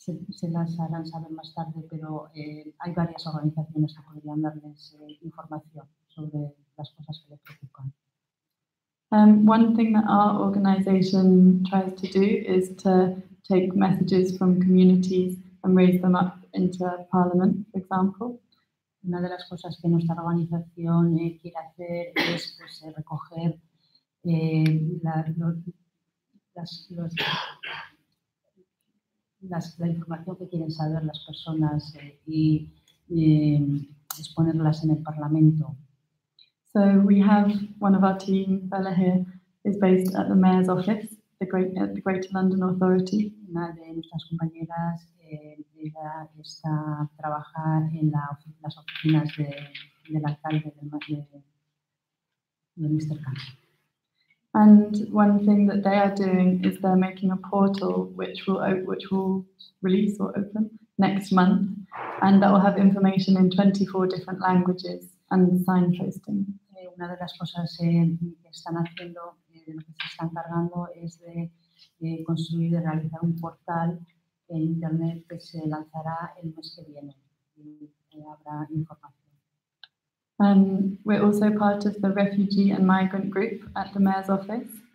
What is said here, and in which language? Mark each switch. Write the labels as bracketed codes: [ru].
[es] Se las harán saber más tarde, pero hay varias organizaciones que podrían darles información sobre las cosas que les preocupan. [en] One thing that our organization tries to do is to take messages from communities and raise them up into Parliament, for example. [es] Una de las cosas que nuestra organización quiere hacer es recoger la información que quieren saber las personas y exponerlas en el Parlamento. [en] So we have one of our team, Bella here, is based at the Mayor's Office, the Greater London Authority. [es] Una de nuestras compañeras está trabajar en las oficinas del alcalde de Mr. Khan. [en] And one thing that they are doing is they're making a portal which will release or open next month, and that will have information in 24 different languages and signposting. [es] Una de las cosas que están haciendo, de lo que se están cargando, es de construir y realizar un portal en internet que se lanzará el mes que viene y habrá información. [en] We're also part of the refugee and migrant group at the mayor's office.